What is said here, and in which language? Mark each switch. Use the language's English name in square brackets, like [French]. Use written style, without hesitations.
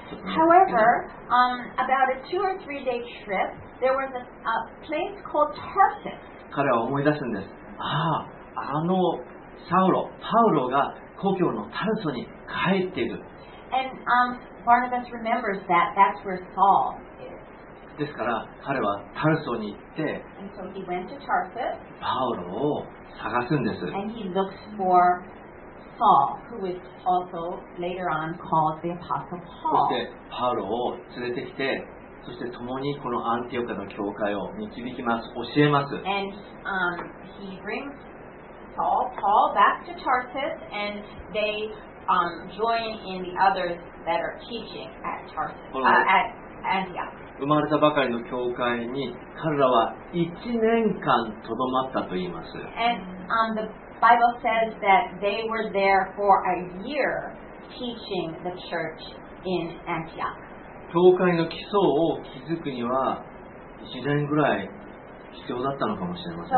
[English] However, about a 2 or 3 day trip, there was a place called Tarsus. [Japanese] 彼は思い出すんです。ああ、あのサウロ、パウロが故郷のタルソに帰っている。 [English] And Barnabas remembers that that's where Saul is. [Japanese] ですから彼はタルソに行って、 [English] And so he went to Tarsus. [Japanese] パウロを探すんです。 [English] And he looks for Paul, who is also later on called the Apostle Paul. [Japanese] そしてパウロを連れてきて、そして共にこのアンティオカの教会を導きます、教えます。 [English] And he brings Paul back to Tarsus, and they join in the others that are teaching at Tarsus, at Antioch. [Japanese] 生まれたばかりの教会に彼らは1年間とどまったと言います。 [English] And, the Bible says that they were there for a year teaching the church in Antioch. [Japanese] 教会の基礎を築くには1年ぐらい必要だったのかもしれません。